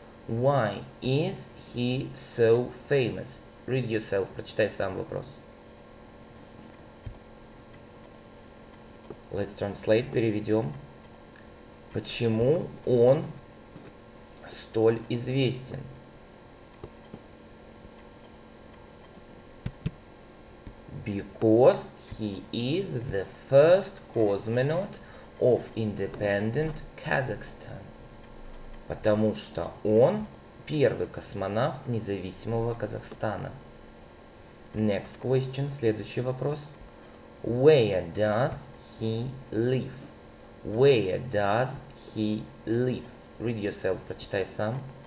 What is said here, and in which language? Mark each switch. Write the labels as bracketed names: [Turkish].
[English] Why is he so famous? Read yourself. [Russian] Прочитай сам вопрос. [English] Let's translate. [Russian] Переведем. Почему он столь известен? [English] Because he is the first cosmonaut of independent Kazakhstan. [Russian] Потому что он первый космонавт независимого Казахстана. [English] Next question. [Russian] Следующий вопрос. [English] Where does he live? Where does he live? Read yourself. [Russian] Прочитай сам.